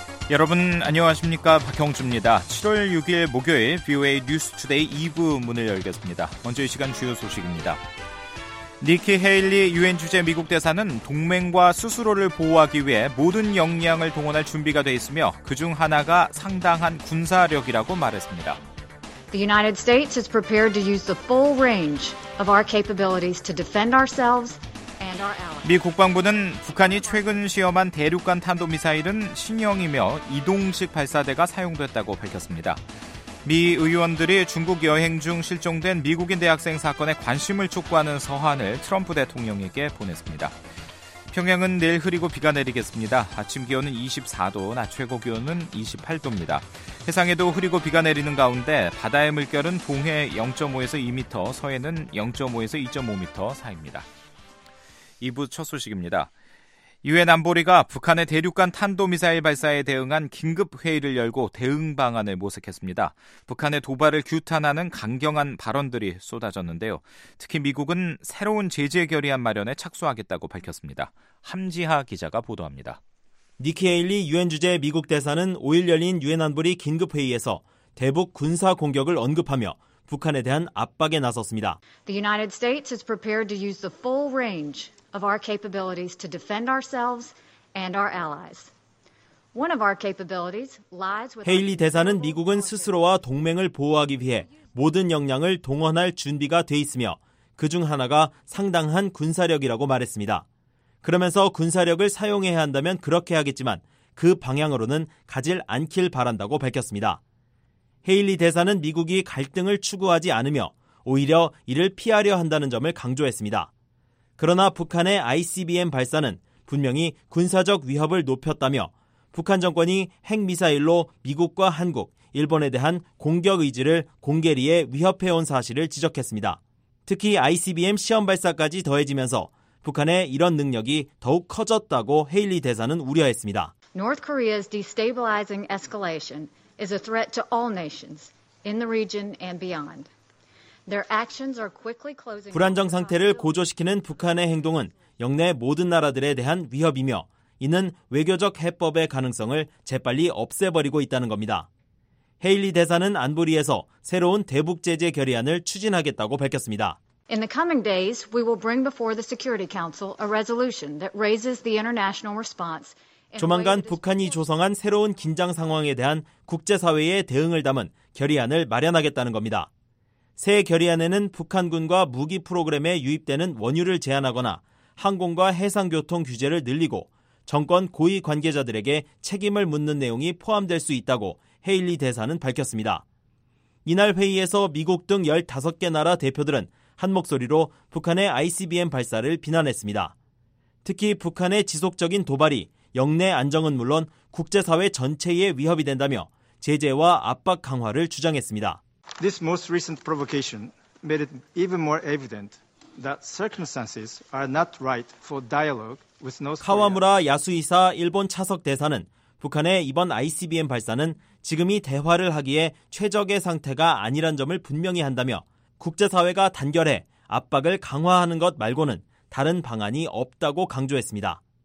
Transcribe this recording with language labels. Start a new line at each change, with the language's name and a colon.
Korean: 여러분 안녕하십니까? 박형주입니다. 7월 6일 목요일 VOA News Today 2부 문을 열겠습니다. 먼저 이 시간 주요 소식입니다. 니키 헤일리 유엔 주재 미국 대사는 동맹과 스스로를 보호하기 위해 모든 역량을 동원할 준비가 돼 있으며 그중 하나가 상당한 군사력이라고 말했습니다.
English: The United States is prepared to use the full range of our capabilities to defend ourselves.
Korean: 미 국방부는 북한이 최근 시험한 대륙간 탄도미사일은 신형이며 이동식 발사대가 사용됐다고 밝혔습니다. 미 의원들이 중국 여행 중 실종된 미국인 대학생 사건에 관심을 촉구하는 서한을 트럼프 대통령에게 보냈습니다. 평양은 내일 흐리고 비가 내리겠습니다. 아침 기온은 24도, 낮 최고 기온은 28도입니다. 해상에도 흐리고 비가 내리는 가운데 바다의 물결은 동해 0.5에서 2m, 서해는 0.5에서 2.5m 사이입니다. 2부 첫 소식입니다. 유엔 안보리가 북한의 대륙간 탄도미사일 발사에 대응한 긴급회의를 열고 대응 방안을 모색했습니다. 북한의 도발을 규탄하는 강경한 발언들이 쏟아졌는데요. 특히 미국은 새로운 제재 결의안 마련에 착수하겠다고 밝혔습니다. 함지하 기자가 보도합니다. 니키 헤일리 유엔 주재 미국 대사는 5일 열린 유엔 안보리 긴급회의에서 대북 군사 공격을 언급하며 북한에 대한 압박에 나섰습니다.
English: The United States is prepared to use the full range of our capabilities to defend ourselves and our allies. One of our capabilities lies with
Korean: 헤일리 대사는 미국은 스스로와 동맹을 보호하기 위해 모든 역량을 동원할 준비가 돼 있으며 그중 하나가 상당한 군사력이라고 말했습니다. 그러면서 군사력을 사용해야 한다면 그렇게 하겠지만 그 방향으로는 가질 않길 바란다고 밝혔습니다. 헤일리 대사는 미국이 갈등을 추구하지 않으며 오히려 이를 피하려 한다는 점을 강조했습니다. 그러나 북한의 ICBM 발사는 분명히 군사적 위협을 높였다며 북한 정권이 핵미사일로 미국과 한국, 일본에 대한 공격 의지를 공개리에 위협해온 사실을 지적했습니다. 특히 ICBM 시험 발사까지 더해지면서 북한의 이런 능력이 더욱 커졌다고 헤일리 대사는 우려했습니다.
English: North Korea's destabilizing escalation is a threat to all nations in the region and beyond. Their actions are quickly closing.
Korean: 불안정 상태를 고조시키는 북한의 행동은 영내 모든 나라들에 대한 위협이며 이는 외교적 해법의 가능성을 재빨리 없애버리고 있다는 겁니다. 헤일리 대사는 안보리에서 새로운 대북 제재 결의안을 추진하겠다고 밝혔습니다.
English: In the coming days, we will bring before the Security Council a resolution that raises the international response.
Korean: 조만간 북한이 조성한 새로운 긴장 상황에 대한 국제사회의 대응을 담은 결의안을 마련하겠다는 겁니다. 새 결의안에는 북한군과 무기 프로그램에 유입되는 원유를 제한하거나 항공과 해상교통 규제를 늘리고 정권 고위 관계자들에게 책임을 묻는 내용이 포함될 수 있다고 헤일리 대사는 밝혔습니다. 이날 회의에서 미국 등 15개 나라 대표들은 한 목소리로 북한의 ICBM 발사를 비난했습니다. 특히 북한의 지속적인 도발이 영내 안정은 물론 국제사회 전체에 위협이 된다며 제재와 압박 강화를 주장했습니다.
English: This most recent provocation made it even more evident that circumstances are not right for dialogue with North Korea.
Korean: 카와무라 야수이사 일본 차석 대사는 북한의 이번 ICBM 발사는 지금이 대화를 하기에 최적의 상태가 아니란 점을 분명히 한다며 국제사회가 단결해 압박을 강화하는 것 말고는 다른 방안이 없다고 강조했습니다.